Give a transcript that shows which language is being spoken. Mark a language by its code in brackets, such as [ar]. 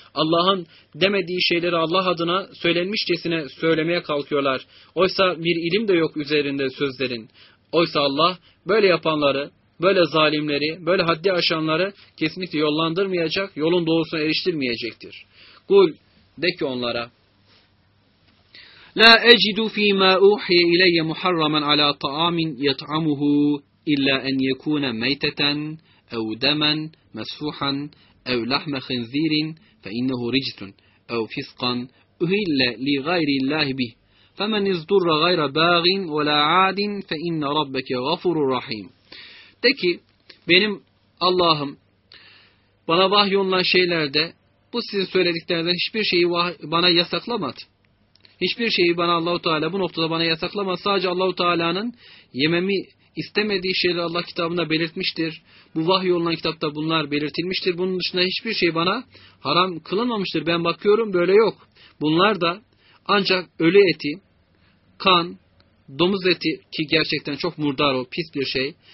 [tr] Allah'ın demediği şeyleri Allah adına söylenmişçesine söylemeye kalkıyorlar. Oysa bir ilim de yok üzerinde sözlerin. Oysa Allah böyle yapanları, böyle zalimleri, böyle haddi aşanları kesinlikle yollandırmayacak, yolun doğrusuna eriştirmeyecektir. Kul, de ki onlara, [ar] لَا أَجِدُ فِي مَا أُوحِيَ إِلَيَّ مُحَرَّمًا عَلَى طَعَامٍ يَطْعَمُهُ إِلَّا أَنْ يَكُونَ مَيْتَةً اَوْ دَمًا مَسْفُوحًا اَوْ لَحْمَ خِنْزِيرٍ فَإِنَّهُ رِجْسٌ اَوْ فِسْقًا اُهِلَّ لِغَيْرِ اللَّهِ بِهِ فَمَنْ اِزْدُرَّ غَيْرَ بَاغٍ وَلَا عَادٍ فَإِنَّ رَبَّكَ غَفُرٌ رَحِيمٌ [tr] De ki, benim Allah'ım bana vahyolunan şeylerde bu sizin söylediklerinizden hiçbir şeyi bana yasaklamadı. Hiçbir şeyi bana Allah-u Teala bu noktada bana yasaklama. Sadece Allah-u Teala'nın yememi istemediği şeyleri Allah kitabında belirtmiştir. Bu vahyolunan kitapta bunlar belirtilmiştir. Bunun dışında hiçbir şey bana haram kılınmamıştır. Ben bakıyorum böyle yok. Bunlar da ancak ölü eti, kan, domuz eti ki gerçekten çok murdar o, pis bir şey.